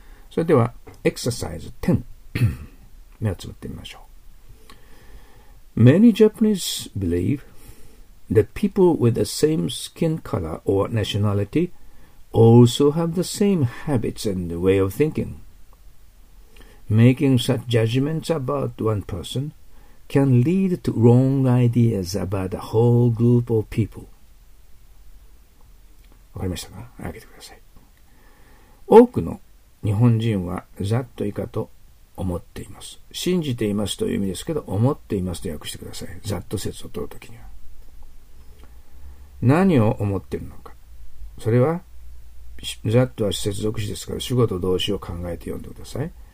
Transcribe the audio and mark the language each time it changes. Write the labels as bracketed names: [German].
[Japanese] それではエクササイズ10 目をつぶってみましょう。 [English] Many Japanese believe that people with the same skin color or nationality also have the same habits and way of thinking. Making such judgments about one person can lead to wrong ideas about a whole group of people. [Japanese] わかりましたか？開けてください。多くの日本人はざっと以下と思っています。信じていますという意味ですけど、思っていますと訳してください。ざっと説を取るときには、何を思っているのか、それはざっとは接続詞ですから主語と動詞を考えて読んでください。